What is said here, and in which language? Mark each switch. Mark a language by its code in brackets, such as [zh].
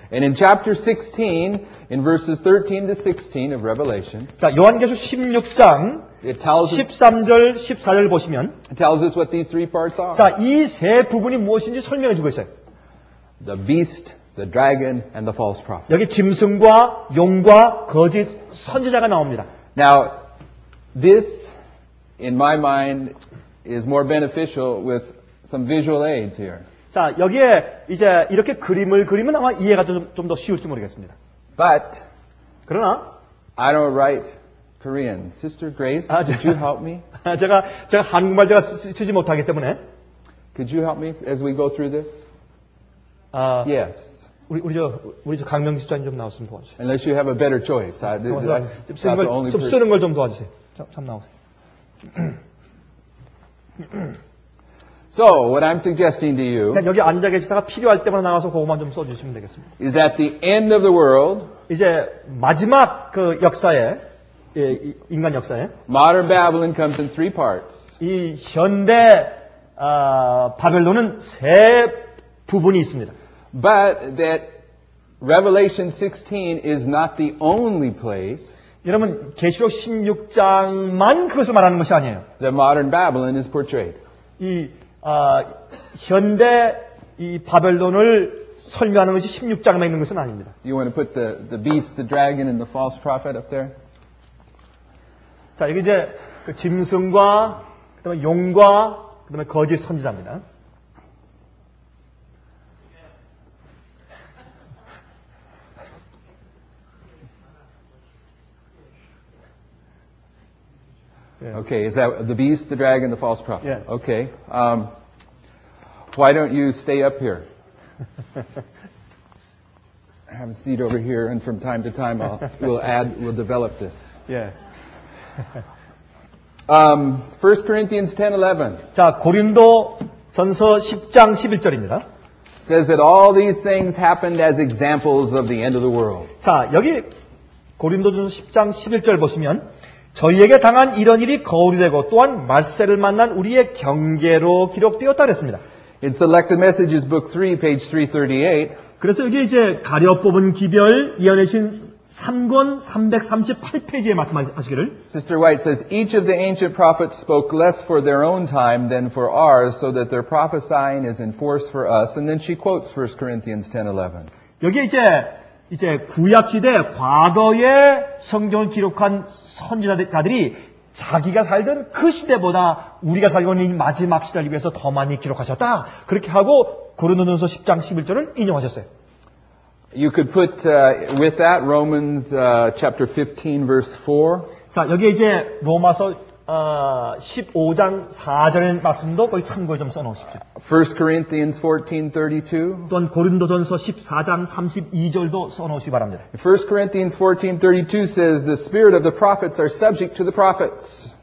[en] And in chapter 16, in verses 13 to 16 of Revelation. [ko] 자, 요한계시록 16장 [en] it tells us, [ko] 13절 14절 보시면 [en] it tells us what these three parts are. [ko] 자, 이 세 부분이 무엇인지 설명해 주고 있어요. [en] The beast, the dragon and the false prophet. [ko] 여기 짐승과 용과 거짓 선지자가 나옵니다. [en] Now this in my mind is more beneficial with some visual aids here. [ko] 자, 여기에 이제 이렇게 그림을 그리면 아마 이해가 좀 더 쉬울지 모르겠습니다. [en] But [ko] 그러나 [en] I don't write Korean. Sister Grace, [ko] 아, 제가, [en] could you help me? [ko] 제가 한국말 제가 쓰지 못하기 때문에 [en] Could you help me as we go through this? 아, yes. [ko] 우리 저 강명기 수장님 좀 나왔으면 도와주세요. [en] Unless you have a better choice. I [ko] 좀 쓰는 걸 좀 도와주세요. 좀 나오세요. [en] So what I'm suggesting to you [ko] 여기 앉아 계시다가 필요할 때마다 나가서 그것만 좀 써주시면 되겠습니다. [en] Is at the end of the world [ko] 이제 마지막 그 역사에 예, 인간 역사에 [en] modern Babylon comes in three parts. [ko] 이 현대 바벨론은 세 부분이 있습니다. [en] But that Revelation 16 is not the only place. [ko] 여러분 계시록 16장만 그것을 말하는 것이 아니에요. [en] The modern Babylon is portrayed. [ko] 이 현대 이 바벨론을 설명하는 것이 16장에 있는 것은 아닙니다. [en] You want to put the beast, the dragon, and the false prophet up there? [ko] 자 여기 이제 그 짐승과 그다음에 용과 그다음에 거짓 선지자입니다. [en] Okay, is that the beast, the dragon, the false prophet? Yes. Okay. Why don't you stay up here? Have a seat over here, and from time to time, we'll develop this. Yeah. 1 Corinthians 10:11. [ko] 자, 고린도 전서 10장 11절입니다. [en] Says that all these things happened as examples of the end of the world. [ko] 자, 여기 고린도 전서 10장 11절 보시면. 저희에게 당한 이런 일이 거울이 되고 또한 말세를 만난 우리의 경계로 기록되었다 그랬습니다. [en] In Selected Messages Book 3, page 338. [ko] 그래서 여기 이제 가려뽑은 기별 예언의 신 3권 338페이지에 말씀하시기를 [en] Sister White says, Each of the ancient prophets spoke less for their own time than for ours so that their prophesying is in force for us. And then she quotes 1 Corinthians 10:11. [ko] 여기 이제 구약시대 과거에 성경을 기록한 선지자들이 자기가 살던 그 시대보다 우리가 살고 있는 마지막 시대를 위해서 더 많이 기록하셨다. 그렇게 하고 고린도전서 10장 11절을 인용하셨어요. [en] You could put with that Romans chapter 15 verse 4. [ko] 자, 여기 이제 로마서 15장 4절의 말씀도 거기 참고해 좀 써 놓으십시오. [en] 1 Corinthians 14:32. [ko] 또한 고린도전서 14장 32절도 써 놓으시기 바랍니다. [en] 1 Corinthians 14:32 says the spirit of the prophets are subject to the prophets.